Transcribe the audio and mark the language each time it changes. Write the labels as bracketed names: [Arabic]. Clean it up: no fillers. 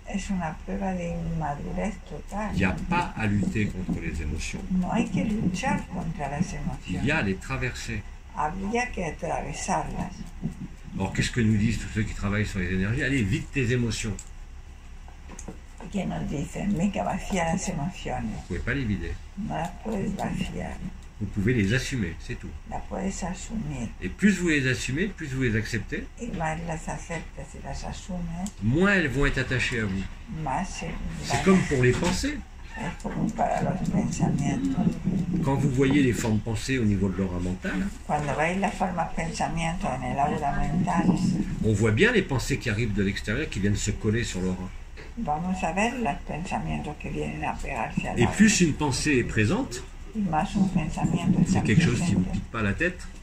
[Spanish] Es una prueba de inmadurez total. [French] Il n'y a pas à lutter contre les émotions. [Spanish] No hay que luchar contra las emociones. [French] Il y a à les traverser. [Spanish] Habría que atravesarlas. [French] Or, qu'est-ce que nous disent tous ceux qui travaillent sur les énergies? Allez, vite tes émotions. [Spanish] ¿Qué nos dicen? Venga, vacía las emociones. [French] Vous ne pouvez pas les vider. [Spanish] No las puedes vaciar. [French] Vous pouvez les assumer, c'est tout. [Spanish] La puedes asumir. [French] Et plus vous les assumez, plus vous les acceptez, [Spanish] y más las aceptas y las asumes, [French] moins elles vont être attachées à vous. C'est comme pour les pensées. [Spanish] Es como para los pensamientos. [French] Quand vous voyez les formes pensées au niveau de l'aura mentale, [Spanish] cuando veis las formas pensamientos en el aura mental, [French] on voit bien les pensées qui arrivent de l'extérieur, qui viennent se coller sur l'aura. [Spanish] Vamos a ver los pensamientos que vienen a pegarse a la [French] Et plus une pensée est présente, c'est quelque chose qui ne me quitte pas la tête,